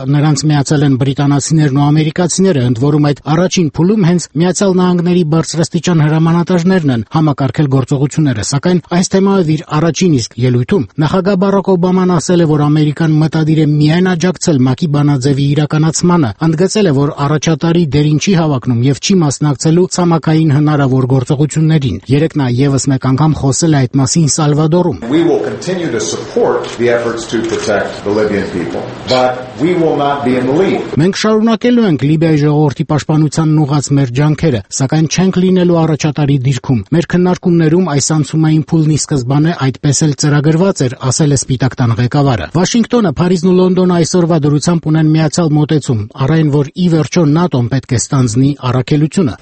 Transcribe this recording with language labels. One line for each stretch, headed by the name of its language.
Armenian: նրանց միացել են բրիտանացիներն ու ամերիկացիները, ընդ որում այդ առաջին փուլում հենց Միացյալ Նահանգների բարձրաստիճան հրամանատարներն են համակարգել գործողությունները, սակայն այս թեմայով իր առաջին իսկ ելույթում նախագահ Բարակ Օբաման ասել է, որ ամերիկան մտադիր է միայն աջակցել Մաքի բանաձևի իրականացմանը, ընդգծել է, որ առաջատարի դերին չի հավակնում և չի մասնակցելու ցամաքային հնարավոր գործողություններին։ Երեկ նա ևս մեկ անգամ խոսել է այդ մասին Սալվադորում։
English: We will continue to support the efforts to protect the Libyan people, but we will not be in the lead.
Armenian: Մենք շարունակելու ենք Լիբիայի ժողովրդի պաշտպանությանն ուղղած մեր ջանքերը, սակայն չենք լինելու առաջատարի դիրքում։ Մեր քննարկումներում այս անցումային փուլն ի սկզբանե այդպես էլ ծրագրված էր, ասել է Սպիտակ տան ղեկավարը։ Վաշինգտոնը, Փարիզն ու Լոնդոնը այսօրվա դրությամբ ունեն միացյալ մոտեցում, առայն որ ի վերջո ՆԱՏՕ-ն պետք է ստանձնի առաքելությունը։